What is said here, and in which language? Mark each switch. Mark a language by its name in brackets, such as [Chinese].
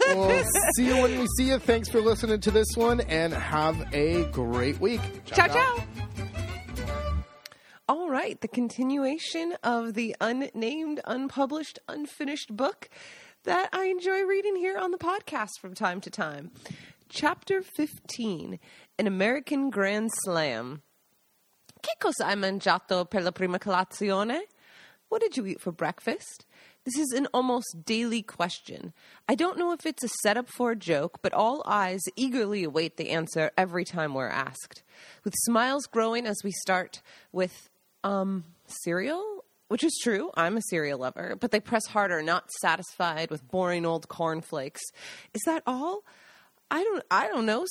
[English] We'll see you when we see you. Thanks for listening to this one, and have a great week. [Italian] Ciao, ciao. [English] All right. The continuation of the unnamed, unpublished, unfinished book that I enjoy reading here on the podcast from time to time. Chapter 15, An American Grand Slam. [Italian] Che cosa hai mangiato per la prima colazione? [English] What did you eat for breakfast? This is an almost daily question. I don't know if it's a setup for a joke, but all eyes eagerly await the answer every time we're asked. With smiles growing as we start with, cereal? Which is true, I'm a cereal lover, but they press harder, not satisfied with boring old cornflakes. Is that all? I don't know.